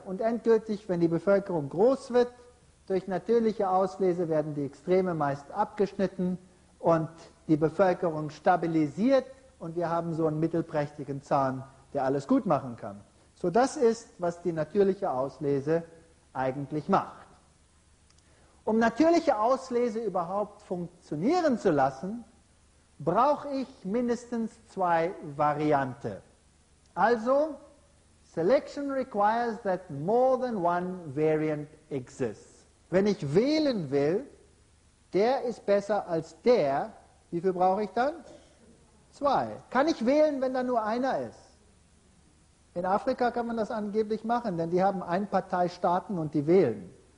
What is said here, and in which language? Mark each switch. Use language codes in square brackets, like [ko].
[de] Und endgültig, wenn die Bevölkerung groß wird, durch natürliche Auslese werden die Extreme meist abgeschnitten und die Bevölkerung stabilisiert und wir haben so einen mittelprächtigen Zahn, der alles gut machen kann. So, das ist, was die natürliche Auslese eigentlich macht. Um natürliche Auslese überhaupt funktionieren zu lassen, brauche ich mindestens zwei Varianten. [en] Also, Selection requires that more than one variant exists. [de] Wenn ich wählen will, der ist besser als der, wie viel brauche ich dann? Zwei. Kann ich wählen, wenn da nur einer ist? In Afrika kann man das angeblich machen, denn die haben Einparteistaaten und die wählen.